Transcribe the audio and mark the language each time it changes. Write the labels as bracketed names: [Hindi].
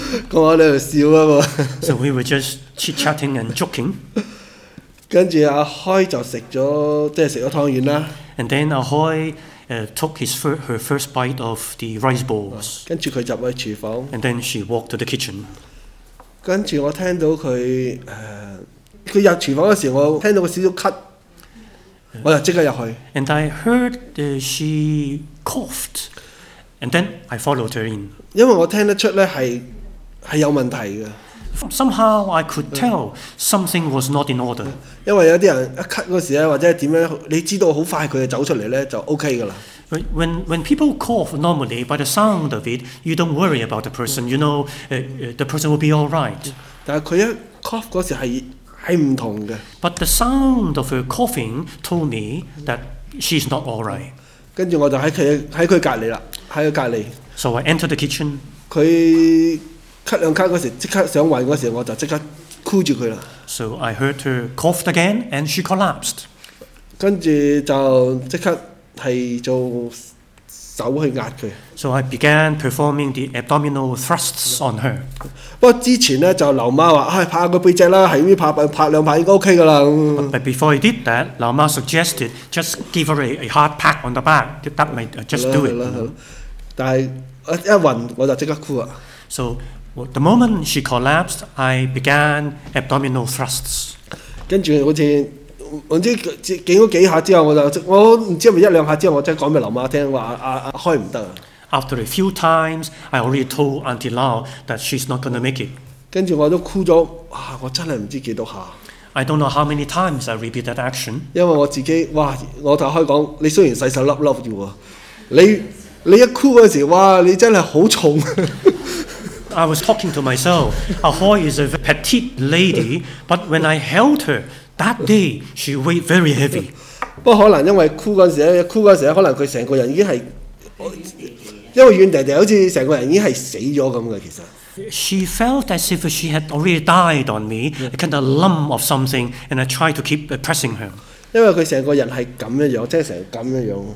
[English] So we were just chit-chatting and joking. [Cantonese] 跟住阿開就食咗，即係食咗湯圓啦。 [English] And then 阿開took his her first bite of the rice balls。 [Cantonese] 跟住佢入去廚房。 [English] And then she walked to the kitchen。 [Cantonese] 跟住我聽到佢佢入廚房嗰時，我聽到個小小咳，我就即刻入去。 [English] And I heard she coughed。 And then I followed her in。 [Cantonese] 因為我聽得出咧係有問題嘅。 [English] Somehow I could tell something was not in order. [Cantonese] 因為有啲人一咳嗰時咧，或者點樣，你知道好快佢就走出嚟咧，就 OK 噶啦。 [English] When people cough normally, by the sound of it, you don't worry about the person. You know, the person will be all right. [Cantonese] 但係佢一 cough 嗰時係唔同嘅。 [English] But the sound of her coughing told me that she's not all right. [Cantonese] 跟住我就喺佢隔離啦，喺佢隔離。 [English] So I entered the kitchen. [Cantonese] 佢咳兩咳嗰時，即刻想暈嗰時，我就即刻箍住佢啦。 [English] So I heard her coughed again, and she collapsed. [Cantonese] 跟住就即刻係做手去壓佢。 [English] So I began performing the abdominal thrusts on her. [Cantonese] 不過之前咧就劉媽話：，唉，拍下個背脊啦，係咁拍兩拍應該 OK 噶啦。 [English] But before I did that, 劉媽 suggested just give her a hard pat on the back. That might just do it. [Cantonese] 但係一暈我就即刻箍啊。 [English] So well, the moment she collapsed, I began abdominal thrusts. [Cantonese] 跟住好似唔知警咗幾下之後，我唔知係咪一兩下之後，我即係講俾劉媽聽話，阿開唔得。 [English] After a few times, I already told Auntie Lau that she's not going to make it. [Cantonese] 跟住我都哭咗，我真係唔知幾多下。 [English] I don't know how many times I repeat that action. [Cantonese] 因為我自己我就開講，你雖然細細粒粒啫喎，你一哭嗰時，你真係好重。 [English] I was talking to myself. Ahoy is a petite lady, but when I held her that day, she weighed very heavy. [Cantonese] 不過可能因為哭嗰陣時咧，可能佢成個人已經係，因為軟好似成個人已經係死咗咁嘅。其實 [English] ，She felt as if she had already died on me, a kind of lump of something, and I tried to keep pressing her. [Cantonese] 因為佢成個人係咁樣樣，即係成咁樣樣。